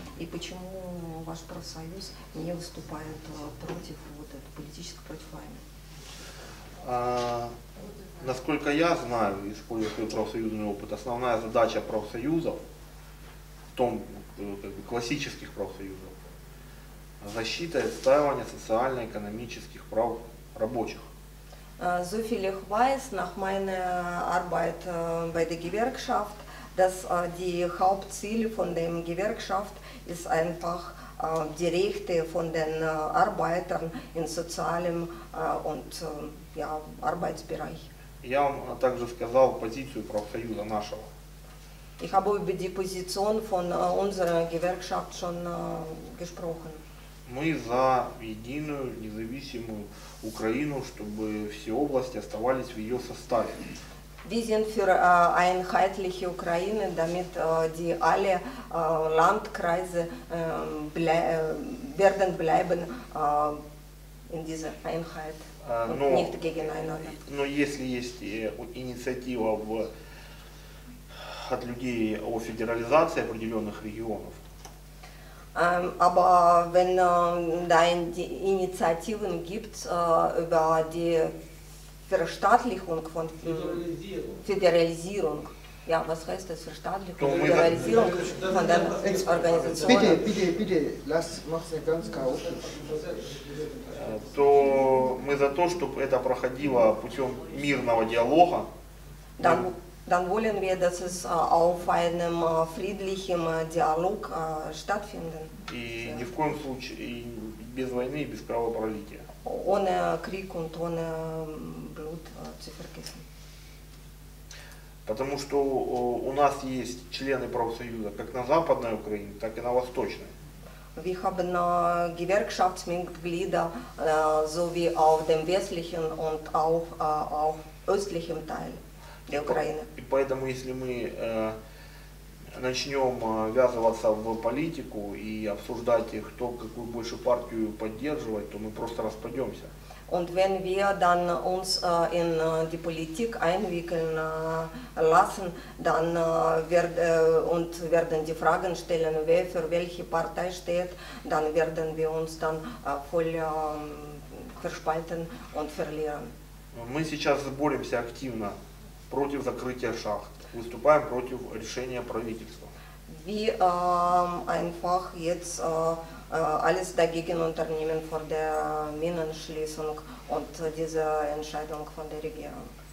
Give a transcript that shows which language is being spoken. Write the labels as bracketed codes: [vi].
[ru] И почему ваш профсоюз не выступает против вот этого политического против войны? Насколько я знаю, используя свой профсоюзный опыт, основная задача профсоюзов, в том, как бы, классических профсоюзов, защита и отстаивание социально-экономических прав рабочих. [de] So viel ich weiß, nach meiner Arbeit bei der Gewerkschaft, dass die Hauptziel von der Gewerkschaft ist einfach die Rechte von den Arbeitern in sozialem und ja, Arbeitsbereich. [ru] Я вам также сказал позицию профсоюза нашего. [de] Ich habe über die Position von unserer Gewerkschaft schon gesprochen. [ru] Мы за единую, независимую Украину, чтобы все области оставались в ее составе. [de] Wir sind für einheitliche Ukraine, damit die alle Landkreise werden bleiben in dieser Einheit. [ru] Но если есть инициатива от людей о федерализации определенных регионов, [de] aber wenn da Initiativen gibt über die Verstaatlichung von Föderalisierung, ja, was heißt das, Verstaatlichung, Föderalisierung von den Organisationen? Bitte, bitte, bitte, lass, mach's nicht ganz chaotisch. [ru] То мы за то, чтобы это проходило путем мирного диалога. [de] Dann wollen wir, dass es auf einem friedlichen Dialog stattfindet. [ru] И ни в коем случае без войны и без кровопролития. [de] Ohne Krieg und ohne Blut zu vergessen. [ru] Потому что у нас есть члены профсоюза как на Западной Украине, так и на Восточной. [de] Wir haben Gewerkschaftsmitglieder sowie auf dem westlichen und auch auf östlichen Teil der Ukraine. [ru] И поэтому, если мы начнем ввязываться в политику и обсуждать, кто какую больше партию поддерживает, то мы просто распадемся. [de] Und wenn wir dann uns in die Politik einwickeln lassen, dann werden die Fragen stellen, wer für welche Partei steht, dann werden wir uns dann voll verspalten und verlieren. [ru] Мы сейчас боремся активно против закрытия шахт, выступаем против решения правительства. [de] Wir einfach jetzt alles dagegen unternehmen vor der Minenschließung und diese Entscheidung von der Regierung.